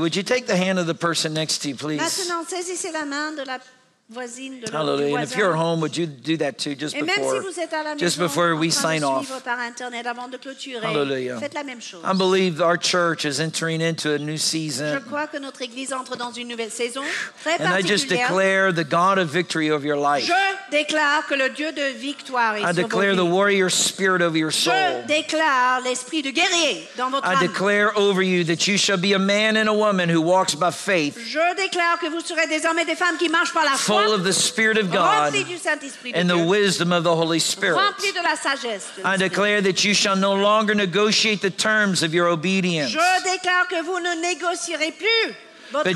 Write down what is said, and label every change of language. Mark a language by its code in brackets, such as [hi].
[en] Would you take the hand of the person next to you, please? [fr] Maintenant, saisissez la main de la voisine de hallelujah. [en] And if you're home, would you do that too, just [fr] et [en] before, [fr] si vous êtes à la maison, [en] just before we sign off? [fr] Par internet avant de clôturer, hallelujah. Faites la même chose. [en] I believe our church is entering into a new season. [fr] Je crois que notre église entre dans une nouvelle saison très [en] and [fr] particulière. [en] I just declare the God of victory over your life. [fr] Je déclare que le Dieu de victoire est [en] I declare [fr] sur [en] the warrior spirit over your soul. [fr] Je déclare l'esprit de guerrier dans votre [en] I [fr] âme. [en] Declare over you that you shall be a man and a woman who walks by faith. [fr] Je déclare que vous serez désormais des femmes qui marchent par la foi. [en] Full of the Spirit of God and the wisdom of the Holy Spirit. I declare that you shall no longer negotiate the terms of your obedience. [fr] Je déclare que vous ne négocierez plus votre obéissance.